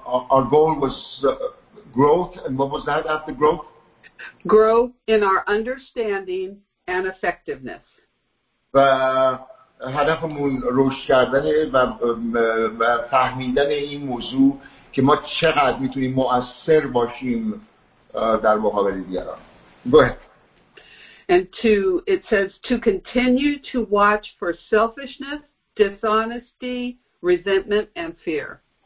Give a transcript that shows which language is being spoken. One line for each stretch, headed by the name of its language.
English: Our goal was growth, and what was that after growth? Grow in our understanding and effectiveness.
Persian: و هدفمون روش کردن و فهمیدن این موضوع که ما چقدر میتونیم مؤثر باشیم در مقابل دیگران.
English: Go ahead. And to, it says to continue to watch for selfishness, dishonesty, resentment and fear.